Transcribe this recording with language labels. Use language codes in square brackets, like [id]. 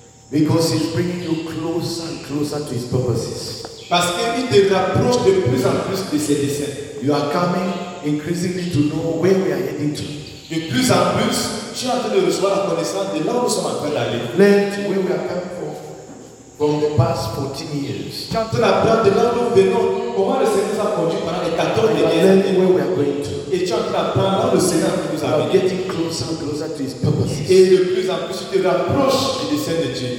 [en] Because he's bringing you closer and closer to his purposes. [fr] Parce qu'il te rapproche de plus en plus de ses desseins. [en] You are coming increasingly to know where we are heading to. [fr] De plus en plus, tu es en train de recevoir la connaissance de là où nous sommes en train d'aller. [en] Learn to where we are coming from the past 14 years. [fr] Tu es en train d'apprendre de là où nous venons, comment le Seigneur nous a conduit pendant les 14 dernières [en] années. Learn where we are going to. [fr] Et tu es en train d'apprendre là où le Seigneur nous a [en] amené. Getting closer and closer to his purposes. [fr] Et de plus en plus, tu te rapproches du dessein de Dieu.